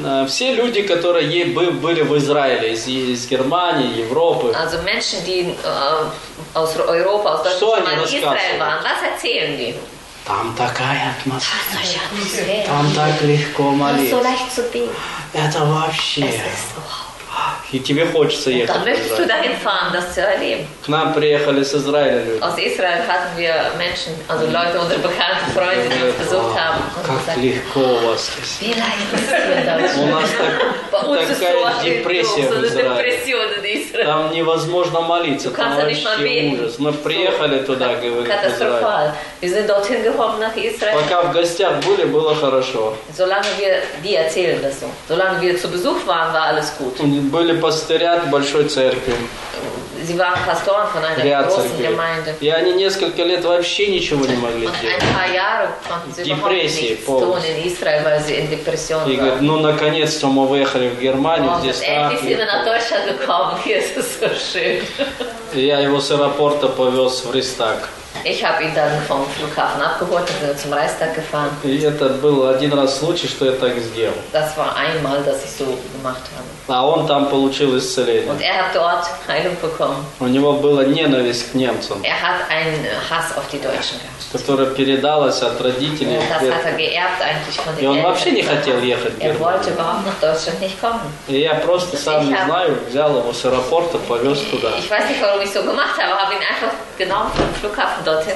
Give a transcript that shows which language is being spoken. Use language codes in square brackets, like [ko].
[ru] Все люди, которые были в Израиле, из Германии, Европы. [de] Also Menschen, die aus Europa, aus Deutschland in Israel waren, was erzählen die? [ru] Там такая атмосфера. Там так легко молиться. Это вообще. И тебе хочется ехать. К нам приехали с Израиля люди. [de] Aus Israel hatten wir Menschen, also Leute, unsere bekannte Freunde, die uns besucht haben. [ru] Как легко у вас. [de] Wie leicht ist es hier dann? [ru] У нас такая депрессия в Израиле. Там невозможно молиться. Там вообще ужас. Мы приехали туда, говорит Израиль. Катастрофал. [de] Wir sind dorthin gekommen nach Israel. [ru] Пока в гостях были, было хорошо. [de] Solange wir die erzählen das so. Solange wir zu Besuch waren, war alles gut. [ru] Были пастыря большой церкви. [de] Sie waren Pastoren von einer großen Gemeinde. [ru] И они несколько лет вообще ничего не могли делать. [de] Ein paar Jahre konnten sie überhaupt nichts tun in Israel, weil sie in Depression waren. [ru] И говорят, ну наконец-то мы выехали в Германию, здесь страх. [de] Und endlich sind wir nach Deutschland gekommen, hier ist es so schön. [ru] Я его с аэропорта повез в Рейхстаг. [de] Ich habe ihn dann vom Flughafen abgeholt und zum Reichstag gefahren. [ru] И это был один раз случай, что я так сделал. [de] Das war einmal, dass ich so gemacht habe. [ru] А он там получил исцеление. [de] Und er hat dort Heilung bekommen. [ru] У него была ненависть к немцам. [de] Er hat einen Hass auf die Deutschen gehabt. [ru] Которая передалась от родителей. [de] Und das hat er geerbt eigentlich von den [ru] Eltern. И он вообще не хотел ехать. [de] Er wollte überhaupt nach Deutschland nicht kommen. [ru] И я просто сам не знаю, взял его с аэропорта, повез туда. [de] Ich weiß nicht, warum ich so gemacht habe, habe ihn einfach genommen vom Flughafen.